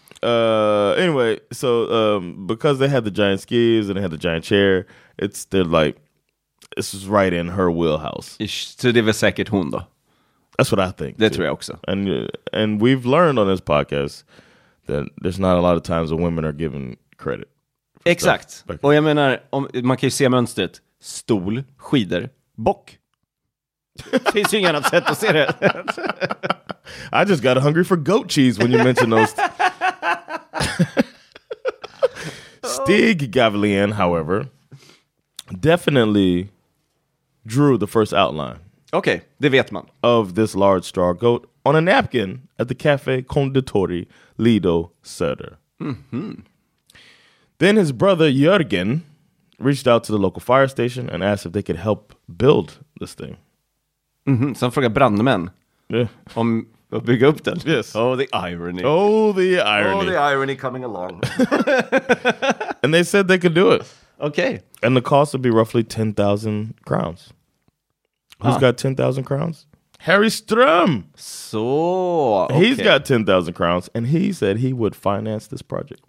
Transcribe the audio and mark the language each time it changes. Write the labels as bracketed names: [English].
[English] Anyway, so because they had the giant skis and they had the giant chair, it's they're like, this is right in her wheelhouse. [Swedish] Så det var säkert hon då? [English] That's what I think. [Swedish] Det tror jag också. [English] And we've learned on this podcast that there's not a lot of times that women are given credit. [Swedish] Exakt. Och jag menar, man kan ju se mönstret. Stol, skidor, bock. Finns ju inget annat sätt att se det. [English] I just got hungry for goat cheese when you mentioned those. Stig Gavlian, however, definitely drew the first outline. [Swedish] Okay, det vet man. [English] Of this large star goat on a napkin at the Café Conditori Lido Söder. Mm-hmm. Then his brother Jörgen reached out to the local fire station and asked if they could help build this thing. Mm-hmm. [Swedish] Så han frågade brandmän om att bygga upp den. [English] Yes. Oh, the irony. Oh, the irony. Oh, the irony coming along. And they said they could do it. Okay. And the cost would be roughly 10,000 crowns. Who's got 10,000 crowns? Harry Ström! So, okay. He's got 10,000 crowns, and he said he would finance this project.